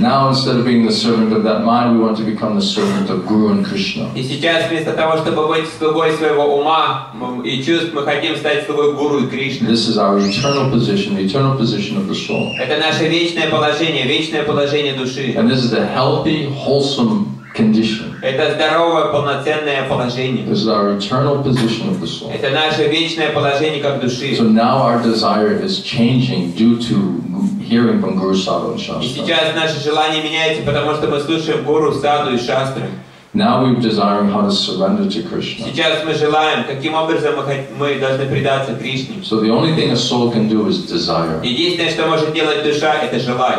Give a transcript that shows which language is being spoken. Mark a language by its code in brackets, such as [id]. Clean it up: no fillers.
[en] Now instead of being the servant of that mind, we want to become the servant of Guru and Krishna. [ru] И сейчас вместо того, чтобы быть слугой своего ума и чувств, мы хотим стать слугой Гуру и Кришны. [en] This is our eternal position, the eternal position of the soul. [ru] Это наше вечное положение души. [en] And this is a healthy, wholesome condition. [ru] Это здоровое, полноценное положение. [en] This is our eternal position of the soul. [ru] Это наше вечное положение как души. [en] So now our desire is changing due to hearing from Guru, Sadhu, and Shastra. [ru] И сейчас наше желание меняется, потому что мы слушаем Гуру, Саду и Шастры. [en] Now we desire how to surrender to Krishna. [ru] Сейчас мы желаем, каким образом мы должны предаться Кришне. [en] So the only thing a soul can do is desire. [ru] Единственное, что может делать душа, это желать.